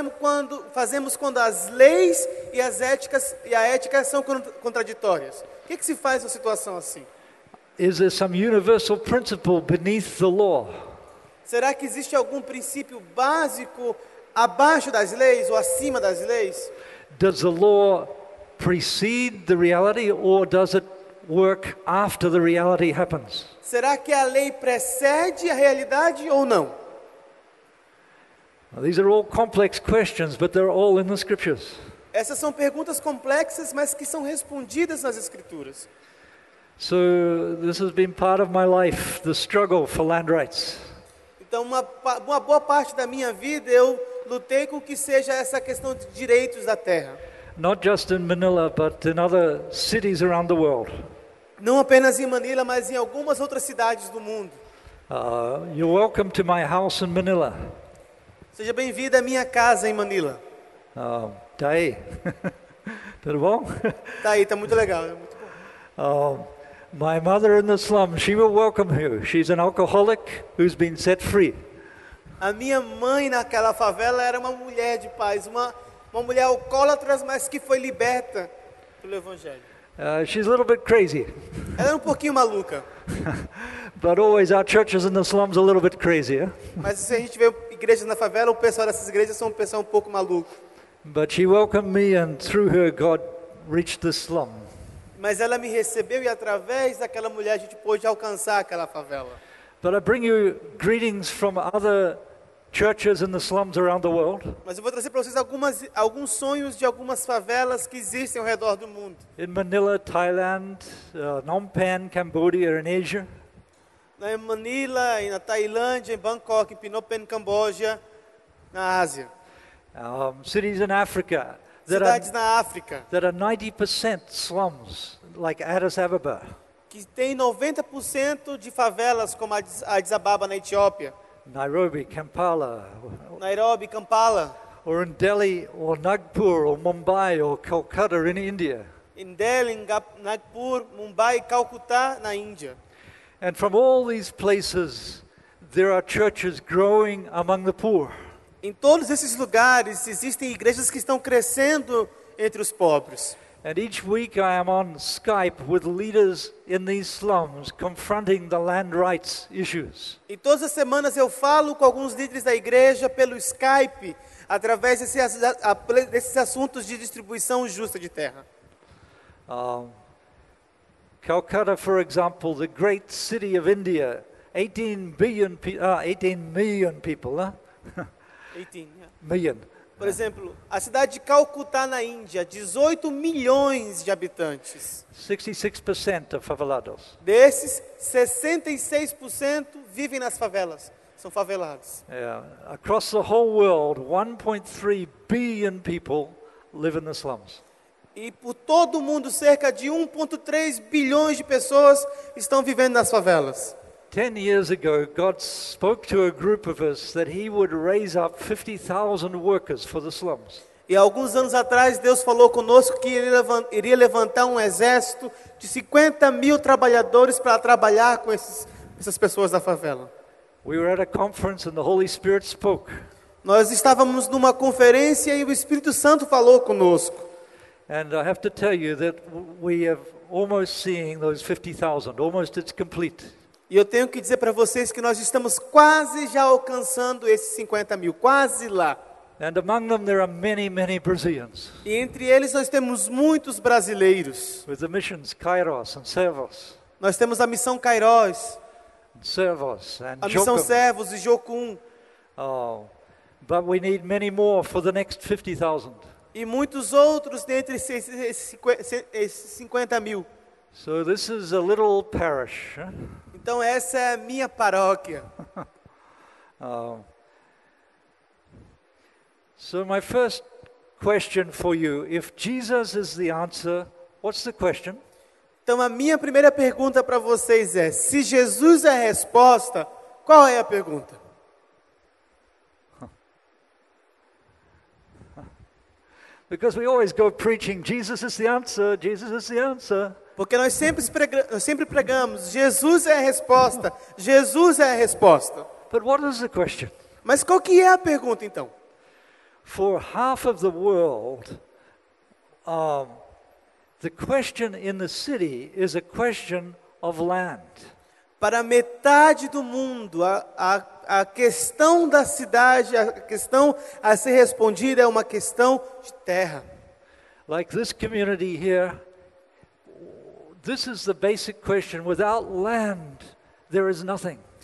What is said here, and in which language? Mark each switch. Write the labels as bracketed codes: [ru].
[pt] E terceiro, o que nós fazemos quando as leis e as éticas e a ética são contraditórias? O que se faz numa situação assim? [en] Is there some universal principle beneath the law? [pt] Será que existe algum princípio básico abaixo das leis ou acima das leis? [en] Does the law precede the reality or does it work after the reality happens? [pt] Será que a lei precede a realidade ou não? [en] Now, these are all complex questions, but they're all in the scriptures. [pt] Essas são perguntas complexas, mas que são respondidas nas escrituras. [en] So this has been part of my life, the struggle for land rights. [pt] Então uma boa parte da minha vida eu lutei com que seja essa questão de direitos da terra. [en] Not just in Manila, but in other cities around the world. [pt] Não apenas em Manila, mas em algumas outras cidades do mundo. [en] You're welcome to my house in Manila. [pt] Seja bem-vindo à minha casa em Manila. Tá aí. Tudo bom? Tá aí, tá muito legal. [en] My mother in the slum, she will welcome you. She's an alcoholic who's been set free. [pt] A minha mãe naquela favela era uma mulher de paz, uma mulher alcoólatra, mas que foi liberta pelo evangelho. [en] She's a little bit crazy. [pt] Ela é um pouquinho maluca. [en] But always our churches in the slums are a little bit crazy, eh? [pt] Mas se a gente vê igrejas na favela, o pessoal dessas igrejas são um pessoal um pouco maluco. [en] But she welcomed me and through her God reached the slum. [pt] Mas ela me recebeu e através daquela mulher a gente pôde alcançar aquela favela. [en] But I bring you greetings from other churches in the slums around the world. [pt] Mas eu vou trazer para vocês alguns sonhos de algumas favelas que existem ao redor do mundo. [en] In Manila, Thailand, Phnom Penh, Cambodia, in Asia. [pt] Na Manila, na Tailândia, em Bangkok, em Phnom Penh, Camboja, na Ásia. [en] Cities in Africa. [pt] Cidades na África. [en] That are 90% slums, like Addis Ababa. [pt] Que tem 90% de favelas como Addis Ababa na Etiópia. [en] Nairobi, Kampala. [pt] Nairobi, Kampala. [en] Or in Delhi, or Nagpur, or Mumbai, or Calcutta in India. [pt] In Delhi, Nagpur, Mumbai, Calcutta na Índia. [en] And from all these places, there are churches growing among the poor. [pt] Em todos esses lugares existem igrejas que estão crescendo entre os pobres. [en] And each week I am on Skype with leaders in these slums confronting the land rights issues. [pt] E todas as semanas eu falo com alguns líderes da igreja pelo Skype através desses assuntos de distribuição justa de terra. [en] Calcutta, for example, the great city of India, 18 million people, huh? 18 million. [pt] Por exemplo, a cidade de Calcutá na Índia, 18 milhões de habitantes. [en] 66% of favelados. [pt] Desses, 66% vivem nas favelas, são favelados. [en] Yeah. Across the whole world, 1.3 billion people live in the slums. [pt] E por todo o mundo, cerca de 1.3 bilhões de pessoas estão vivendo nas favelas. [en] 10 years ago, God spoke to a group of us that He would raise up 50,000 workers for the slums. [pt] E alguns anos atrás, Deus falou conosco que iria levantar um exército de 50 mil trabalhadores para trabalhar com essas pessoas da favela. [en] We were at a conference and the Holy Spirit spoke. [pt] Nós estávamos numa conferência e o Espírito Santo falou conosco. [en] And I have to tell you that we have almost seeing those 50,000. Almost, it's complete. [pt] E eu tenho que dizer para vocês que nós estamos quase já alcançando esses 50 mil, quase lá. [en] And among them there are many, many Brazilians. [pt] E entre eles nós temos muitos brasileiros. [en] With the missions Kairos and Servos. [pt] Nós temos a missão Kairos. [en] Servos and [pt] a missão Servos e Jocum. [en] Oh, but we need many more for the next 50,000. [pt] E muitos outros dentre esses 50 mil. [en] So this is a little parish, huh? [pt] Então essa é a minha paróquia. [en] So my first question for you, if Jesus is the answer, what's the question? [pt] Então a minha primeira pergunta para vocês é: se Jesus é a resposta, qual é a pergunta? [en] Because we always go preaching, Jesus is the answer, Jesus is the answer. [pt] Porque nós sempre pregamos, Jesus é a resposta, Jesus é a resposta. [en] But what is the question? [pt] Mas qual que é a pergunta então? [en] For half of the world, the question in the city is a question of land. [pt] Para metade do mundo, a questão da cidade, a questão a ser respondida é uma questão de terra. [en] Like this community here. This is the basic question. Without land, there is nothing.